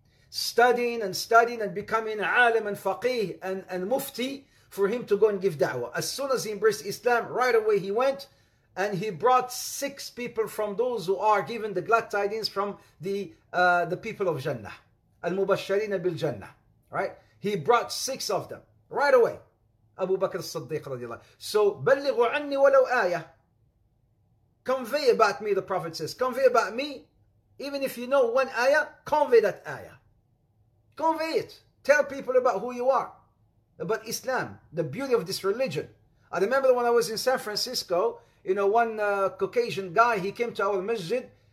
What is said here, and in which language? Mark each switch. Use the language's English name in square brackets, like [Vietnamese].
[English] Studying and studying and becoming alim and faqih and mufti for him to go and give da'wah. As soon as he embraced Islam, right away he went and he brought six people from those who are given the glad tidings from the people of Jannah. Al-Mubashshirin bil Jannah. Right? He brought six of them right away. Abu Bakr as-Siddiq radiallahu anhu. [Arabic] So, بَلِّغُ عَنِّي وَلَوْ آيَةً. [English] Convey about me, the Prophet says. Convey about me. Even if you know one ayah, convey that ayah. Convey it. Tell people about who you are. About Islam. The beauty of this religion. I remember when I was in San Francisco, you know, one Caucasian guy, he came to our masjid.